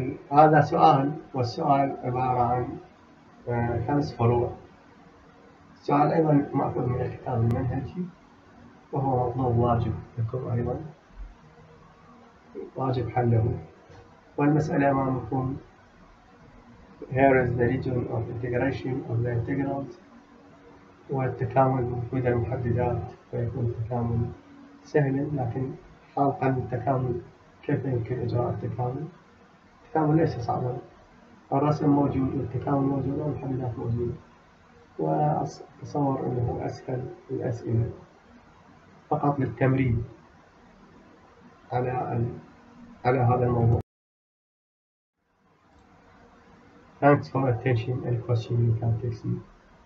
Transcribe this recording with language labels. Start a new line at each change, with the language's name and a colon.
Arabic: هذا سؤال، والسؤال عبارة عن خمس فروع. السؤال أيضا مأخوذ من الكتاب المنهجي وهو مطلوب واجب لكم، أيضا واجب حله. والمسألة أمامكم:
English: Here is the region of integration of the integrals،
Arabic: والتكامل موجود المحددات، فيكون التكامل سهلا. لكن حال قلب التكامل كيف يمكن إجراء التكامل؟ التكامل ليس صعبا، الرسم موجود والتكامل موجود والمحددات موجودة، وأتصور أنه أسهل الأسئلة. فقط للتمرين على هذا الموضوع.
English: Thanks for attention and question you can take.